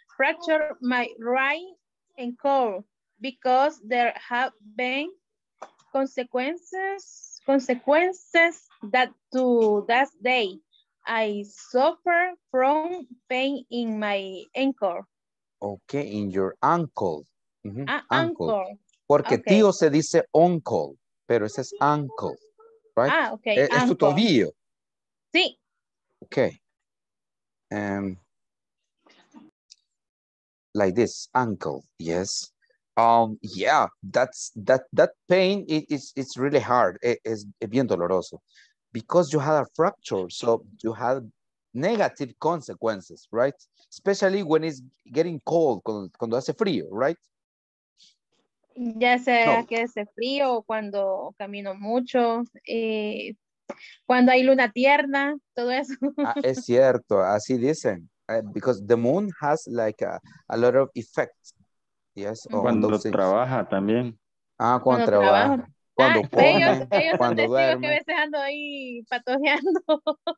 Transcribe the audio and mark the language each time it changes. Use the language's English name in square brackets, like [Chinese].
[English] Fracture my right ankle because there have been consequences that to that day I suffer from pain in my ankle. Okay, in your ankle. Mm-hmm. Ankle. [Spanish] Porque okay. Tío se dice uncle, pero ese es ankle, right? [English] Ah, okay. [Spanish] Es tu tobillo. Sí. [English] Okay. Like this, ankle. Yes. Yeah, that pain it's really hard. [Spanish] Es bien doloroso. [English] Because you had a fracture, so you had negative consequences, right? Especially when it's getting cold, [Spanish] cuando hace frío, [English] right? [Spanish] Ya sea que hace frío, cuando camino mucho, cuando hay luna tierna, todo eso. Es cierto, así dicen. [English] Because the moon has like a lot of effects. Yes. [Spanish] Cuando trabaja también. Cuando trabaja. Cuando come, cuando duerme. Ellos son testigos que a veces ando ahí patojeando.